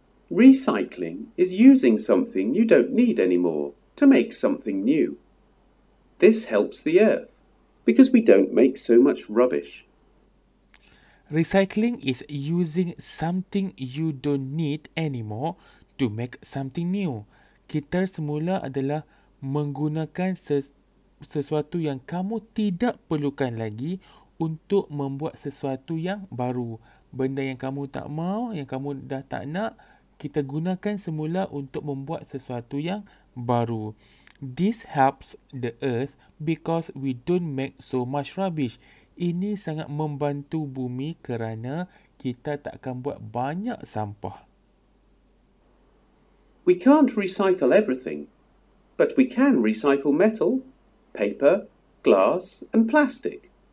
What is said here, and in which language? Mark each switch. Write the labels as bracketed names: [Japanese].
[English] Recycling is using something you don't need anymore to make something new. This helps the earth. Because we don't make so much rubbish. Recycling is using something you don't need anymore to make something new. [Malay] Gitar semula adalah menggunakan sesuatu yang kamu tidak perlukan lagi untuk membuat sesuatu yang baru. Benda yang kamu tak mau, yang kamu dah tak nak, kita gunakan semula untuk membuat sesuatu yang baru. [English] This helps the earth because we don't make so much rubbish. [Malay] Ini sangat membantu bumi kerana kita tak akan buat banyak sampah. [English] We can't recycle everything, but we can recycle metal, paper, glass and plastic.